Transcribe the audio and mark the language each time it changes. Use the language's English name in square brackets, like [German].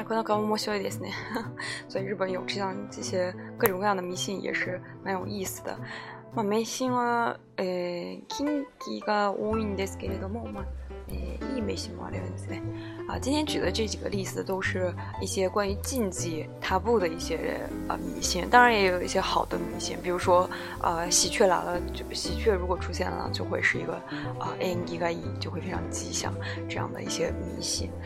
[Japanese] 面白いですね。 [Chinese] 所以日本有像这些各种各样的迷信也是蛮有意思的。 [Japanese] まあ、迷信は、禁忌が多いんですけれども、まあ、いい迷信もあるんですね。 [Chinese] 啊，今天举的这几个例子都是一些关于禁忌、タブー的一些迷信。当然也有一些好的迷信，比如说喜鹊来了，喜鹊如果出现了，就会是一个 [Japanese] 縁起がいい， [Chinese] 就会非常吉祥这样的一些迷信。